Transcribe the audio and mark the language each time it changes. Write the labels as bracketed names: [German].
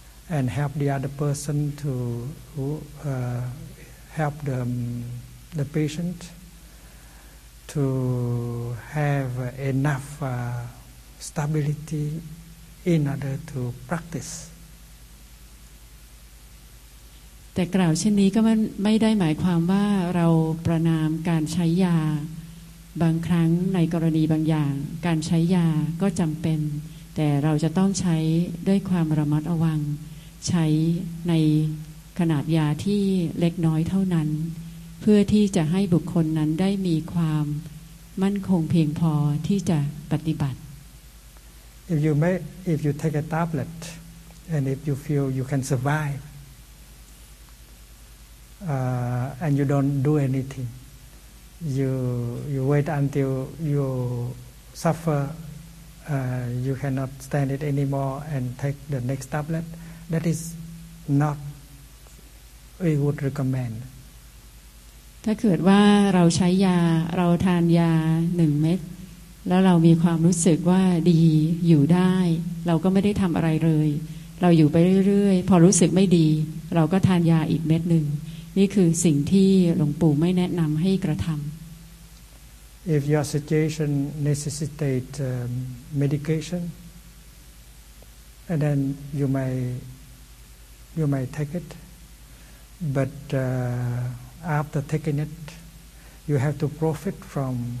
[English] and help the other person to who help the patient to have enough stability in order to practice. [Thai] แต่กล่าวเช่นนี้ก็ไม่ได้หมายความว่าเราประณามการใช้ยาบางครั้งในกรณีบางอย่างการใช้ยาก็จำเป็นแต่เราจะต้องใช้ด้วยความระมัดระวังใช้ในขนาดยาที่เล็กน้อยเท่านั้นเพื่อที่จะให้บุคคลนั้นได้มีความมั่นคงเพียงพอที่จะปฏิบัติ [English] If you make if you take a tablet and if you feel you can survive and you don't do anything you wait until you suffer you cannot stand it anymore and take the next tablet that is not we would recommend [Thai] ถ้าเกิดว่าเราใช้ยาเราทานยา1เม็ดแล้วเรามีความรู้สึกว่าดีอยู่ได้เราก็ไม่ได้ทำอะไรเลยเราอยู่ไปเรื่อยๆพอรู้สึกไม่ดีเราก็ทานยาอีกเม็ดนึงนี่คือสิ่งที่หลวงปู่ไม่แนะนำให้กระทำ [English] If your situation necessitate medication and then you might take it but after taking it you have to profit from